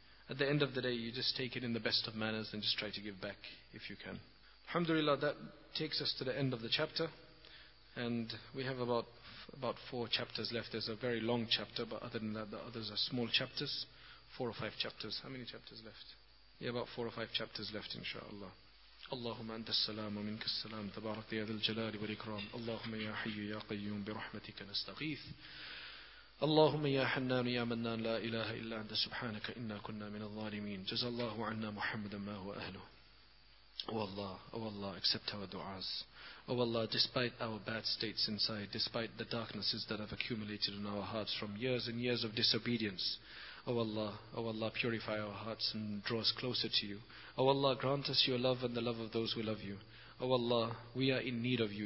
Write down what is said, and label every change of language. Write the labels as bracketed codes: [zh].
[en] At the end of the day, you just take it in the best of manners and just try to give back if you can. Alhamdulillah, that takes us to the end of the chapter. And we have about four chapters left. There's a very long chapter, but other than that, the others are small chapters. Four or five chapters. How many chapters left? Yeah, about four or five chapters left, inshaAllah. [ar] اللهم أنت السلام ومنك السلام تبارك يا ذا الجلال والإكرام اللهم يا حي يا قيوم برحمتك نستغيث اللهم يا حنان يا منان لا إله إلا أنت سبحانك إنا كنا من الظالمين جزى الله عنا محمدا ما هو أهله [en] Oh Allah, accept our du'as. Oh Allah, despite our bad states inside, despite the darknesses that have accumulated in our hearts from years and years of disobedience, Oh Allah, purify our hearts and draw us closer to you. Oh Allah, grant us your love and the love of those who love you. Oh Allah, we are in need of you.